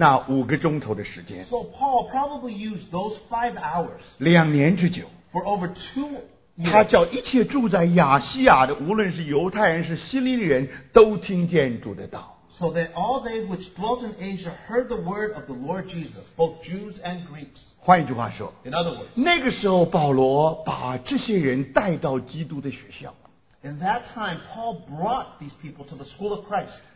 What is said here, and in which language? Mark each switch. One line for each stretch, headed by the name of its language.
Chinese: 所以保罗呢大概就利用那5个钟头的时间,
English: so Paul probably used those 5 hours.
Chinese: 两年之久,
English: for over 2 hours.
Chinese: 他叫一切住在亚细亚的无论是犹太人是希利人都听见主的道。
English: So that all they which dwelt in Asia heard the word of the Lord Jesus, both Jews and Greeks.
Chinese: 换一句话说,
English: in other words,
Chinese: 那个时候保罗把这些人带到基督的学校。
English: In that time, Paul brought these people to the school of Christ.